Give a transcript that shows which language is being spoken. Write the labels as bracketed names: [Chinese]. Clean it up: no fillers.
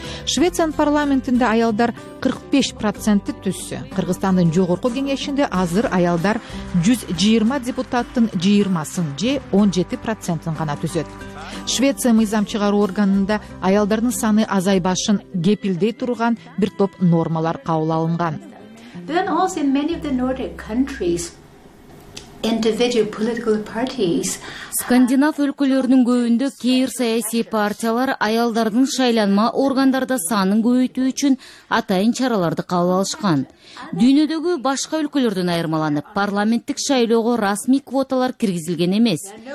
[Kyrgyz] Швециянын парламентинде аялдар 45% түзсө, Кыргызстандын жогорку кеңешинде азыр аялдар 120 депутаттын 20%сын же 17% гана түзөт. Швеция мыйзам чыгаруу органында аялдардын саны азайбашын кепилдей турган бир топ нормалар кабыл алынган. [English] Then also in many of the Nordic countries, individual political parties. [Kyrgyz] Скандинав өлкөлөрүнүн көбүндө кээр саясий партиялар аялдардын шайланма органдарда санын көбөйтүү үчүн атайын чараларды кабыл алышкан. Дүйнөдөгү башка өлкөлөрдөн айырмаланып, парламенттик шайлоого расмий квоталар киргизилген эмес.